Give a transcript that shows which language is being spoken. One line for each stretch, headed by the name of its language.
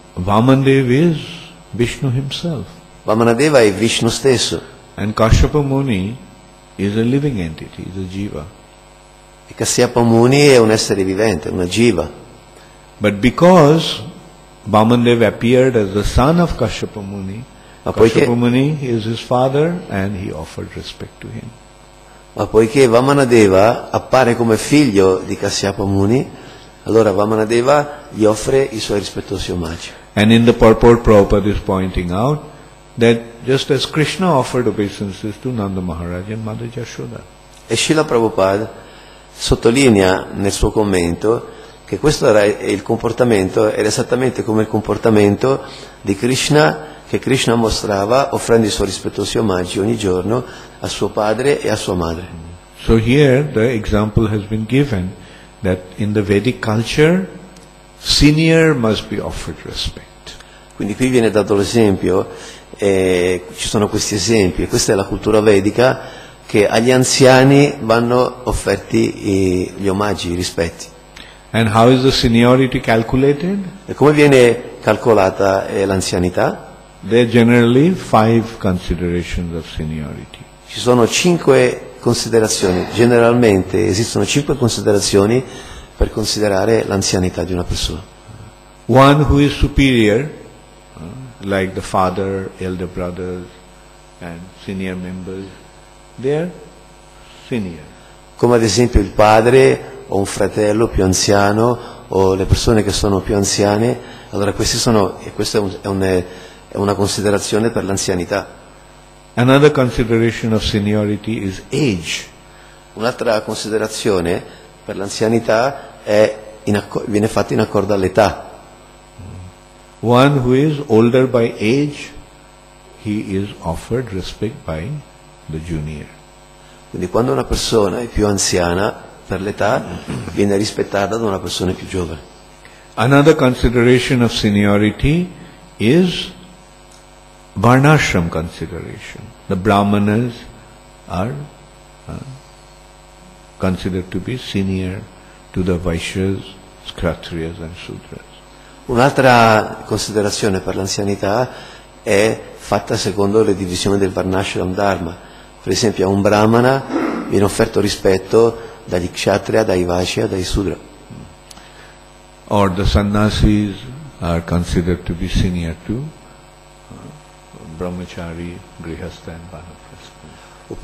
English: Vamandev is Vishnu himself.
Italian: Vamanadeva è Vishnu stesso.
English: And Kashyapa Muni is a living entity, is a jiva.
Italian: E Kashyapa Muni è un essere vivente, una jiva.
English: But because Vamandev appeared as the son of Kashyapa Muni, Kashyapa Muni is his father and he offered respect to him.
Italian: Ma poiché Vamanadeva appare come figlio di Kashyapa Muni, allora Vamanadeva gli offre i suoi rispettosi omaggi.
English: And in the purport Prabhupada is pointing out that just as Krishna offered obeisances to Nanda Maharaj and Mother Yashoda.
Italian: E Srila Prabhupada sottolinea nel suo commento che questo era il comportamento, era esattamente come il comportamento di Krishna, che Krishna mostrava offrendo i suoi rispettosi omaggi ogni giorno a suo padre e a sua madre.
English: So here the example has been given that in the Vedic culture senior must be offered respect.
Italian: Quindi qui viene dato l'esempio, ci sono questi esempi, questa è la cultura vedica, che agli anziani vanno offerti gli omaggi, i rispetti.
English: And how is the seniority calculated?
Italian: E come viene calcolata l'anzianità?
English: There are generally five considerations of seniority.
Italian: Ci sono cinque considerazioni, generalmente esistono cinque considerazioni per considerare l'anzianità di una persona.
English: One who is superior, like the father, elder brothers and senior members, they are senior.
Italian: Come ad esempio il padre o un fratello più anziano o le persone che sono più anziane, allora questi sono, e questa è una considerazione per l'anzianità.
English: Another consideration of seniority is age.
Italian: Un'altra considerazione per l'anzianità è viene fatta in accordo all'età.
English: One who is older by age, he is offered respect by the junior.
Italian: Quindi quando una persona è più anziana per l'età viene rispettata da una persona più giovane.
English: Another consideration of seniority is Varnashram consideration. The Brahmanas are considered to be senior to the Vaishyas, Kshatriyas and Shudras.
Italian: Un'altra considerazione per l'anzianità è fatta secondo le divisioni del Varnashram Dharma. Per esempio, a un Brahmana viene offerto rispetto dagli Kshatriya, dai Vaishya, dai Shudra.
English: Or the Sannyasis are considered to be senior to Brahmachari, Grihastha and Vanaprastha.